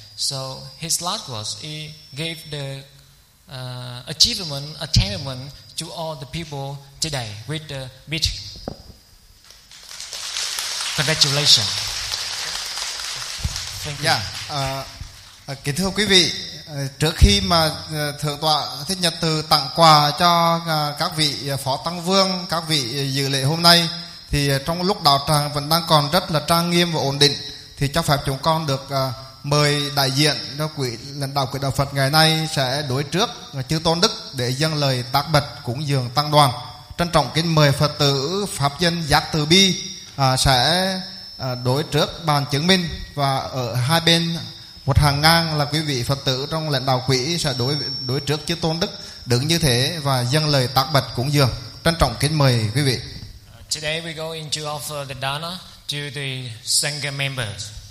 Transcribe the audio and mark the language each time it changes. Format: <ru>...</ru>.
<en>So his last words, he gave the attainment to all the people today with the big congratulations. Thank you. Yeah.</en> <vi>Kính thưa quý vị, trước khi mà Thượng tọa Thích Nhật Từ tặng quà cho các vị Phó Tăng Vương, các vị dự lễ hôm nay, thì trong lúc đạo tràng vẫn đang còn rất là trang nghiêm và ổn định, thì cho phép chúng con được mời đại diện cho quỹ lãnh đạo quỹ đạo Phật ngày nay sẽ đối trước chư Tôn Đức để dâng lời tác bạch cúng dường tăng đoàn. Trân trọng kính mời Phật tử Pháp Danh Giác Từ Bi sẽ đối trước bàn chứng minh, và ở hai bên một hàng ngang là quý vị Phật tử trong lãnh đạo quỹ sẽ đối trước chư Tôn Đức đứng như thế và dâng lời tác bạch cúng dường. Trân trọng kính mời quý vị.</vi> <en>Today we go into offer the dana to the Sangha members.</en>